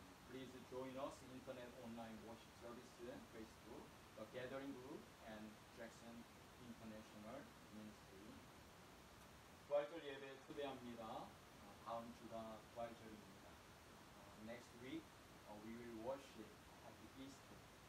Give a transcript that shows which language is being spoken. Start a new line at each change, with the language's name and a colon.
English: Please join us in internet online worship service, Facebook, the Gathering Group, and Jackson International Ministry.
Korean: 부활절 예배 초대합니다. 다음 주가 부활절입니다.
English: Next week, we will worship at the Easter.